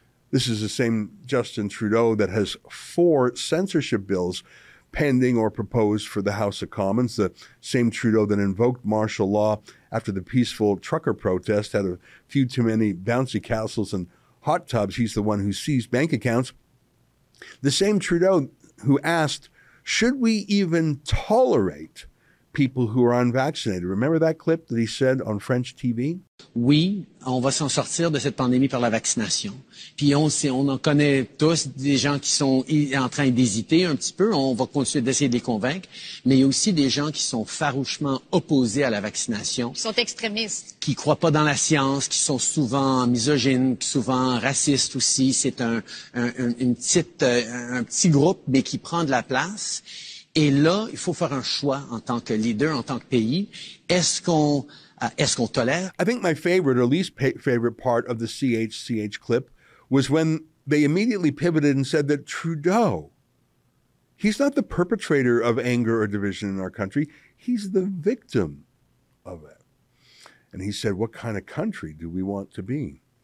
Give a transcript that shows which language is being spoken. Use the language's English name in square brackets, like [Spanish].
[English] This is the same Justin Trudeau that has four censorship bills pending or proposed for the House of Commons, the same Trudeau that invoked martial law after the peaceful trucker protest, had a few too many bouncy castles and hot tubs. He's the one who seized bank accounts. The same Trudeau who asked, should we even tolerate people who are unvaccinated? Remember that clip that he said on French TV? [French] Oui, on va s'en sortir de cette pandémie par la vaccination. Puis on en connaît tous des gens qui sont en train d'hésiter un petit peu. On va continuer d'essayer de les convaincre. Mais il y a aussi des gens qui sont farouchement opposés à la vaccination. Qui sont extrémistes. Qui croient pas dans la science, qui sont souvent misogynes, souvent racistes aussi. C'est un petit groupe, mais qui prend de la place. Et là, il faut faire un choix en tant que leader, en tant que pays. Est-ce qu'on tolère? [English] I think my favorite or least favorite part of the CHCH clip was when they immediately pivoted and said that Trudeau, he's not the perpetrator of anger or division in our country. He's the victim of it. And he said, what kind of country do we want to be?